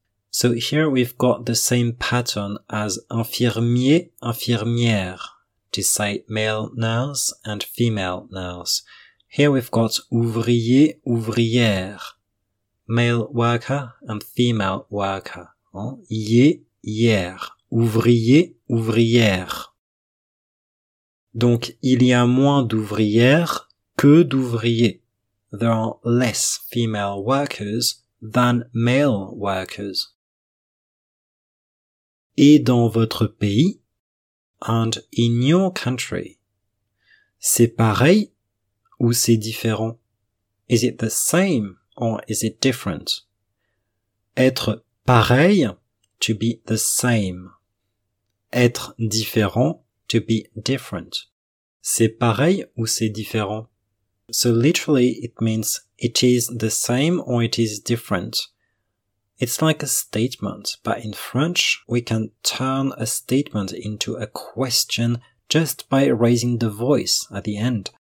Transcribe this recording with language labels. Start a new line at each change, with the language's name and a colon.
English: So here we've got the same pattern as infirmier, infirmière, to say male nurse and female nurse. Here we've got ouvrier, ouvrière, male worker and female worker.
French: Hier, hier, ouvrier, ouvrière. Donc, il y a moins d'ouvrières que d'ouvriers.
English: There are less female workers than male workers.
French: Et dans votre pays,
English: and in your country,
French: c'est pareil ou c'est différent?
English: Is it the same or is it different?
French: Être pareil,
English: to be the same.
French: Être différent,
English: to be different.
French: C'est pareil ou c'est différent?
English: So literally it means it is the same or it is different. It's like a statement, but in French we can turn a statement into a question just by raising the voice at the end.